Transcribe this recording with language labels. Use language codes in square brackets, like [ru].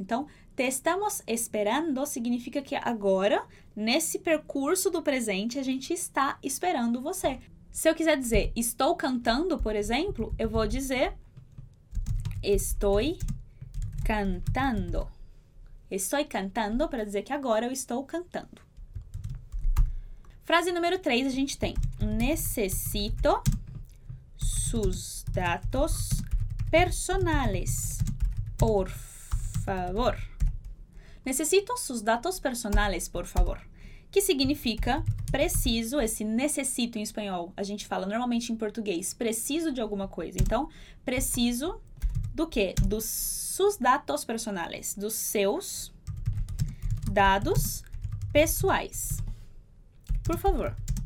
[pt] Então, te estamos esperando significa que agora, nesse percurso do presente, a gente está esperando você. Se eu quiser dizer estou cantando, por exemplo, eu vou dizer [es] estoy cantando. Estoy cantando [pt] para dizer que agora eu estou cantando. Frase número 3, a gente tem. [es] Necesito sus datos personales, por favor. Necesito sus datos personales, por favor. [pt] Que significa preciso, esse necessito em espanhol. A gente fala normalmente em português, preciso de alguma coisa. Então, preciso do quê? Dos [es] sus datos personales, [pt] dos seus dados pessoais. Por favor.